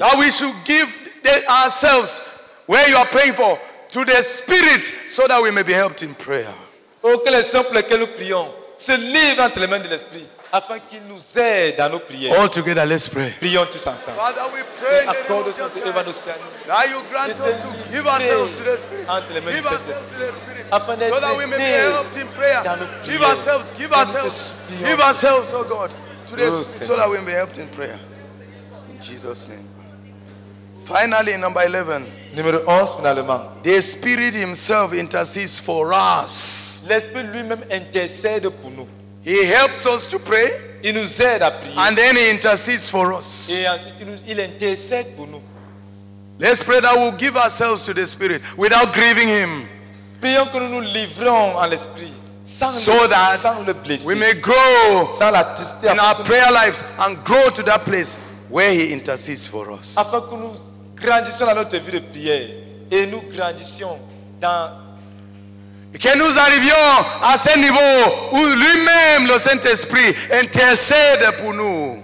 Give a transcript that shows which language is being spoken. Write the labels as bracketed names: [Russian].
[English] Now we should give ourselves where you are praying for to the Spirit so that we may be helped in prayer. [French] Oh, que les saints pour lesquels nous prions se livrent entre les mains de l'Esprit afin qu'il nous aide dans nos prières. [English] All together, let's pray. [French] Prions tous ensemble. [English] Father, we pray in the name of Jesus Christ. That you grant us to give ourselves to the Spirit. Give ourselves to the Spirit. [French] Afin [English] so that we may be helped in prayer. Give ourselves, give ourselves. Give ourselves, oh God, to the Spirit so that we may be helped in prayer. In Jesus' name. Finally, number 11. [French] Numéro 11, finalement. [English] The Spirit himself intercedes for us. [French] L'Esprit lui-même intercède pour nous. [English] He helps us to pray. [French] Il nous aide à prier. [English] And then he intercedes for us. [French] Et ensuite, il intercède pour nous. [English] Let's pray that we'll give ourselves to the Spirit without grieving him. [French] Prions que nous nous livrons à l'Esprit sans [English] so [French] le, [English] that [French] sans le blesser, [English] we may grow [French] sans la tristesse, [English] in our prayer lives and grow to that place where he intercedes for us. [French] Afin que nous grandissions dans notre vie de prière et nous grandissions dans que nous arrivions à ce niveau où lui-même, le Saint-Esprit, intercède pour nous.